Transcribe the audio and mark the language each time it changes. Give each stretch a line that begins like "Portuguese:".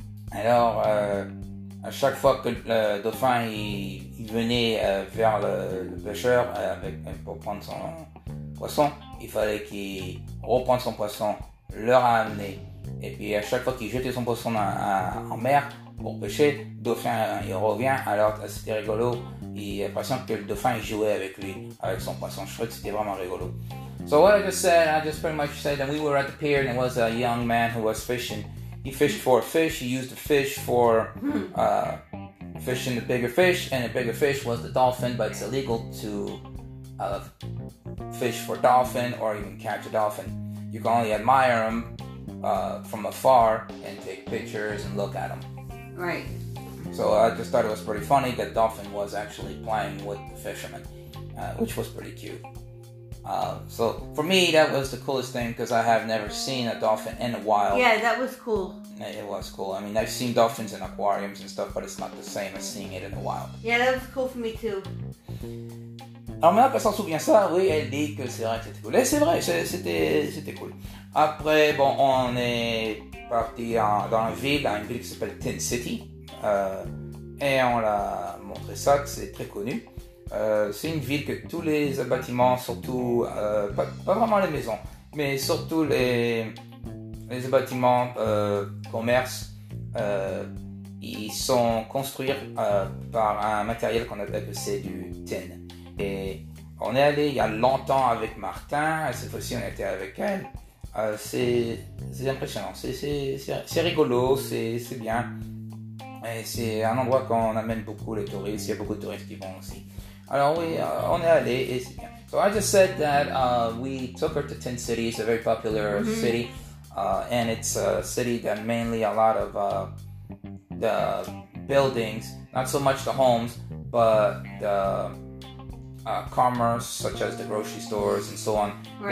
French: Alors, à chaque fois que le dauphin il venait vers le pêcheur pour prendre son poisson, il fallait qu'il reprenne son poisson, le ramener. Et puis à chaque fois qu'il jetait son poisson en mer pour pêcher, le dauphin il revient. Alors c'était rigolo. Il a l'impression que le dauphin il jouait avec lui, avec son poisson. Je trouvais que c'était vraiment rigolo.
English: So what I just said, I just pretty much said that we were at the pier and it was a young man who was fishing. He fished for a fish. He used the fish for fishing the bigger fish. And the bigger fish was the dolphin, but it's illegal to... fish for dolphin or even catch a dolphin. You can only admire them from afar and take pictures and look at them. Right. So I just thought it was pretty funny that dolphin was actually playing with the fisherman, which was pretty cute. So for me, that was the coolest thing because I have never seen a dolphin in a while. Yeah, that was cool. It was cool. I mean, I've seen dolphins in aquariums and stuff, but it's not the same as seeing it in the wild. Yeah, that was cool for me too.
French: Alors maintenant qu'elle s'en souvient ça, oui, elle dit que c'est vrai que c'était cool. Et c'est vrai, c'était cool. Après, bon, on est parti dans la ville, dans une ville qui s'appelle Tin City. Et on l'a montré ça, que c'est très connu. C'est une ville que tous les bâtiments, surtout, pas vraiment les maisons, mais surtout les bâtiments commerces, ils sont construits par un matériel qu'on appelle que c'est du tin. Et on est allé il y a longtemps avec Martin, et cette fois-ci on était avec elle. C'est impressionnant, c'est rigolo, c'est bien. Et c'est un endroit qu'on amène beaucoup les touristes, il y a beaucoup de touristes qui vont aussi. Alors oui, on est allé et c'est bien.
English: So I just said that we took her to Tin City, it's a very popular city. And it's a city that mainly a lot of the buildings, not so much the homes, but the... commerce, such as the grocery stores and so on, right.